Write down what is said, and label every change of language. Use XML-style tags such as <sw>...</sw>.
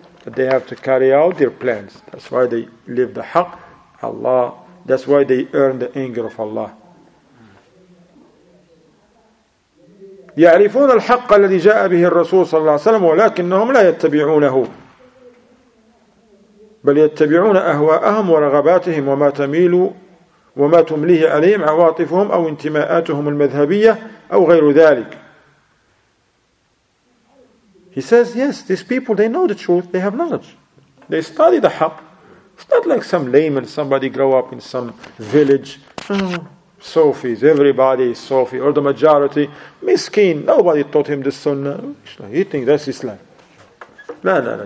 <en>But they have to carry out their plans. That's why they leave the haqq, Allah. That's why they earn the anger of Allah.</en> <ar>يَعْرِفُونَ الْحَقَّ الَّذِي جَاءَ بِهِ الرَّسُولُ صَلَّى اللَّهُ عَلَيْهِ وَسَلَّمُ وَلَكِنَّهُمْ لَا يَتَّبِعُونَهُ بل يتبعون أهواءهم ورغباتهم وما تميل وما تمليه عليهم عواطفهم أو انتماءاتهم المذهبية أو غير ذلك.</ar> <en>He says, yes, these people, they know the truth, they have knowledge. They study the haqq. It's not like some layman, somebody grow up in some village. Sufis, everybody is Sufi, or the majority. Miskin, nobody taught him the sunnah. He thinks that's Islam. No.</en>